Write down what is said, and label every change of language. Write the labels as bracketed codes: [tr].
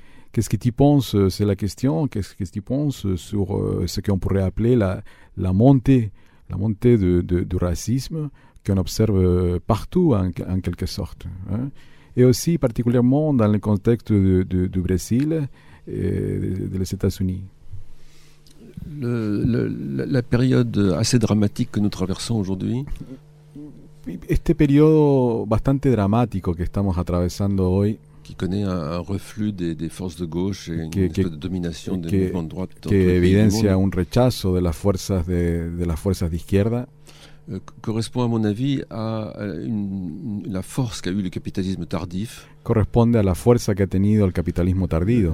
[fr] Qu'est-ce que tu penses, c'est la question, qu'est-ce que tu penses sur ce qu'on pourrait appeler la montée du racisme qu'on observe partout en quelque sorte, hein? Et aussi particulièrement dans le contexte du Brésil et des États-Unis. La période assez dramatique que nous traversons aujourd'hui. [es] Este periodo bastante dramático que estamos atravesando hoy. [fr] qui connaît un reflux des forces de gauche et une espèce de domination des mouvements de droite. [es] Que évidencia un rechazo de las fuerzas de las fuerzas de izquierda. [fr] Correspond à mon avis à la force qu'a eu le capitalisme tardif. [es] Corresponde a la fuerza que ha tenido el capitalismo tardío.